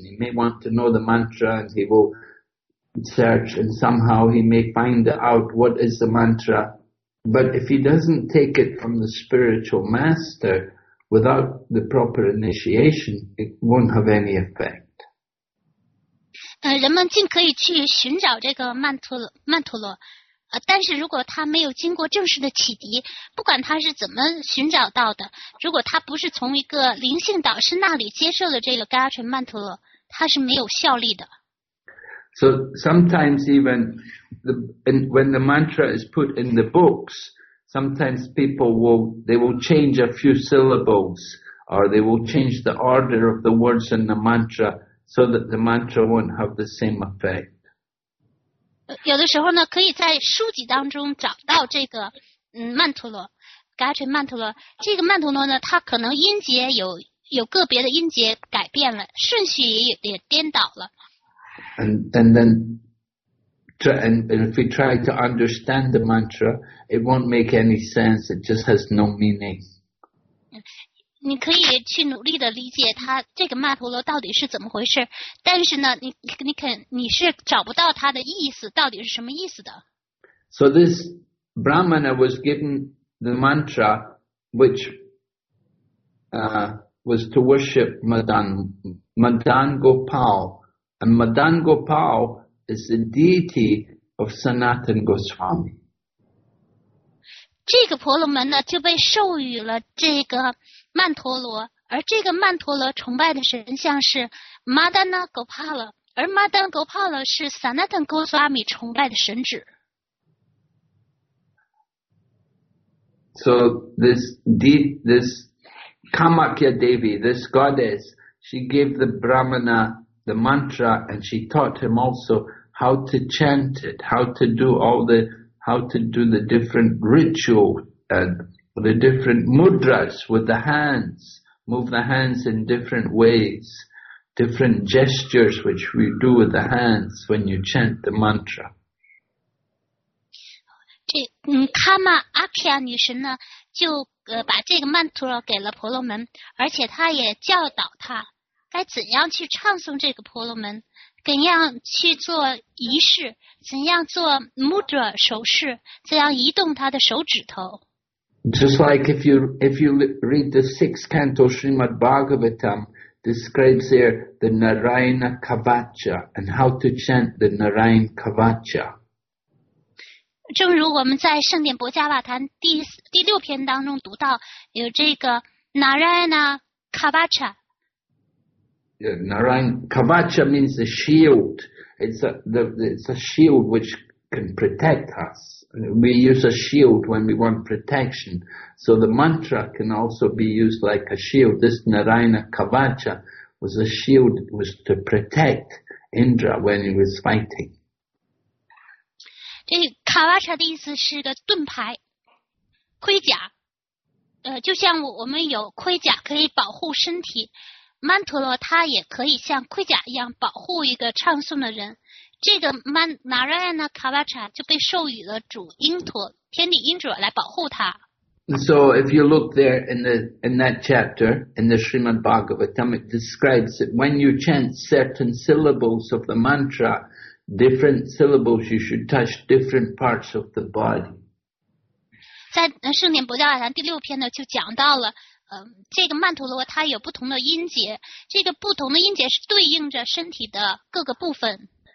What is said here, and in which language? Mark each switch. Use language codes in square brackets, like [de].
[en] He may want to know the mantra and he will... search and somehow he may find out what is the mantra, but if he doesn't take it from the spiritual master without the proper initiation, it won't have any effect. [zh] 人们尽可以去寻找这个曼陀罗，但是如果他没有经过正式的启迪，不管他是怎么寻找到的，如果他不是从一个灵性导师那里接受了这个Gayatri Mantra，他是没有效力的。 [en] So sometimes when the mantra is put in the books, sometimes people will change a few syllables or they will change the order of the words in the mantra so that the mantra won't have the same effect. [zh] 有的时候呢，可以在书籍当中找到这个曼陀罗 ，Gayatri Mantra。这个曼陀罗呢，它可能音节有个别的音节改变了，顺序也颠倒了。 [en] And then if we try to understand the mantra, it won't make any sense. It just has no meaning. [zh] 你可以去努力的理解它这个曼陀罗到底是怎么回事，但是呢，你是找不到它的意思，到底是什么意思的。 [en] So this Brahmana was given the mantra, which was to worship Madan Gopal. And Madan Gopal is the deity of Sanatan Goswami. [zh] 这个婆罗门呢就被授予了这个曼陀罗，而这个曼陀罗崇拜的神像是 Madan Gopal， 而 Madan Gopal 是 Sanatan Goswami 崇拜的神祇。 [en] So this Kamakya Devi, this goddess, she gave the Brahmana. The mantra, and she taught him also how to chant it, how to do the different ritual and the different mudras with the hands, move the hands in different ways, different gestures which we do with the hands when you chant the mantra. [zh] 这卡玛阿卡女神呢，就把这个曼陀罗给了婆罗门，而且她也教导他。该怎样去唱诵这个婆罗门，怎样去做仪式，怎样做 mudra 手势，怎样移动他的手指头。 [en] Just like if you read the sixth canto Srimad Bhagavatam describes there the Narayana Kavacha and how to chant the Narayana Kavacha. [zh] 正如我们在圣典博加瓦坛第六篇当中读到，有这个 Narayana Kavacha。 [en] Yeah, Narayana Kavacha means the shield. It's a shield which can protect us. We use a shield when we want protection. So the mantra can also be used like a shield. This Narayana Kavacha was a shield, was to protect Indra when he was fighting. [zh] 这卡瓦查的意思是个盾牌盔甲，就像我们有盔甲可以保护身体，曼陀罗它也可以像盔甲一样保护一个唱诵的人。这个曼纳拉亚纳卡瓦查就被授予了主英陀天地英者来保护他。 [en] So if you look there in that chapter in the Srimad Bhagavatam, it describes that when you chant certain syllables of the mantraDifferent syllables, you should touch different parts of the body. [zh] 在圣典博加瓦坛第六篇呢，就讲到了，这个曼陀罗它有不同的音节，这个不同的音节是对应着身体的各个部分。